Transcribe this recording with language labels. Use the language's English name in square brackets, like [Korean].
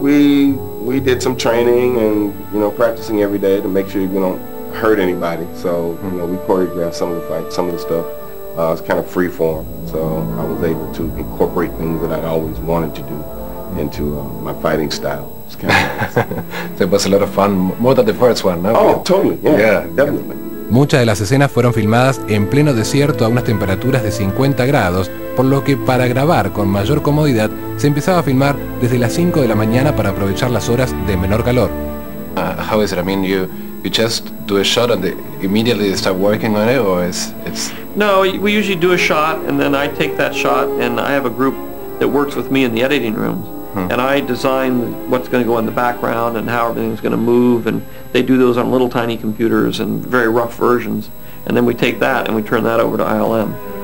[English] We did some training and, you know, practicing every day to make sure you don't hurt anybody. So, you know, we choreographed some of the fights, some of the stuff. It's kind of free form. So I was able to incorporate things that I always wanted to do into my fighting style. It's kind of nice. So it was a lot of fun, more than the first one, no? Oh, yeah. Totally. Yeah, definitely. Yeah. [Spanish] Muchas de las escenas fueron filmadas en pleno desierto a unas temperaturas de 50 grados, por lo que para grabar con mayor comodidad se empezaba a filmar desde las 5 de la mañana para aprovechar las horas de menor calor. [English] How is it? I mean, you just do a shot and immediately start working on it, or it's... No, we usually do a shot and then I take that shot and I have a group that works with me in the editing rooms. And I design what's going to go in the background and how everything's going to move, and they do those on little tiny computers and very rough versions, and then we take that and we turn that over to ILM.